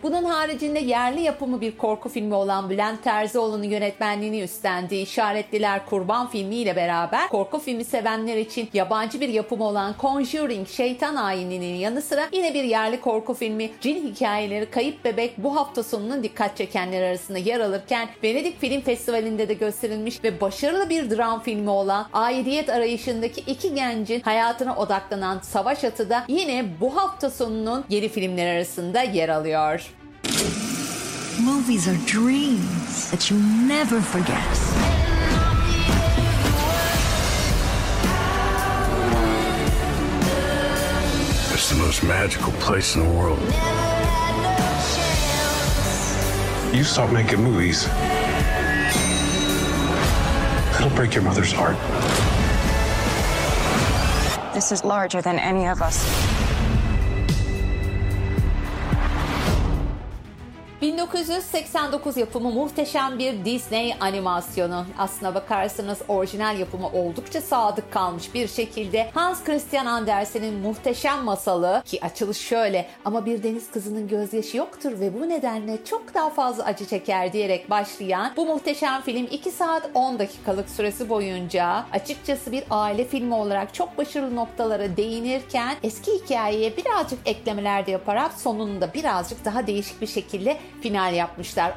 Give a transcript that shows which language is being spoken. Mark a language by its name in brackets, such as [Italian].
[Turkish] Bunun haricinde yerli yapımı bir korku filmi olan Bülent Terzioğlu'nun yönetmenliğini üstlendiği İşaretliler Kurban filmiyle beraber korku filmi sevenler için yabancı bir yapımı olan Conjuring Şeytan Ayini'nin yanı sıra yine bir yerli korku filmi Cin Hikayeleri Kayıp Bebek bu hafta sonunun dikkat çekenler arasında yer alırken Venedik Film Festivali'nde de gösterilmiş ve başarılı bir dram filmi olan Aidiyet Arayışı'ndaki iki gencin hayatına odaklanan Savaş Atı da yine bu hafta sonunun yeni filmler arasında yer alıyor. [English] Movies are dreams that you never forget. It's the most magical place in the world. You stop making movies, it'll break your mother's heart. This is larger than any of us. [Turkish] 1989 yapımı muhteşem bir Disney animasyonu. Aslına bakarsanız orijinal yapımı oldukça sadık kalmış bir şekilde Hans Christian Andersen'in muhteşem masalı ki açılış şöyle: ama bir deniz kızının gözyaşı yoktur ve bu nedenle çok daha fazla acı çeker diyerek başlayan bu muhteşem film 2 saat 10 dakikalık süresi boyunca açıkçası bir aile filmi olarak çok başarılı noktalara değinirken eski hikayeye birazcık eklemeler de yaparak sonunda birazcık daha değişik bir şekilde final yapmışlar.